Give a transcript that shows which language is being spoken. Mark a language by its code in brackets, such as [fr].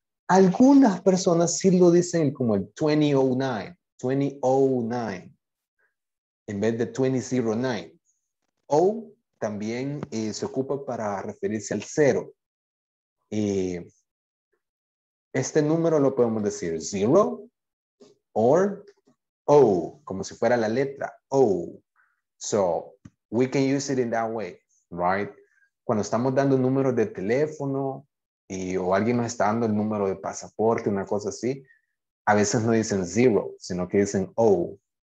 [es] Algunas personas sí lo dicen como el 2009, 2009, en vez de 2009. O también se ocupa para referirse al cero. Este número lo podemos decir [en] zero or O, [es] como si fuera la letra O. [en] So, we can use it in that way, right? [es] Cuando estamos dando números de teléfono y, o alguien nos está dando el número de pasaporte, una cosa así, a veces no dicen zero, sino que dicen O.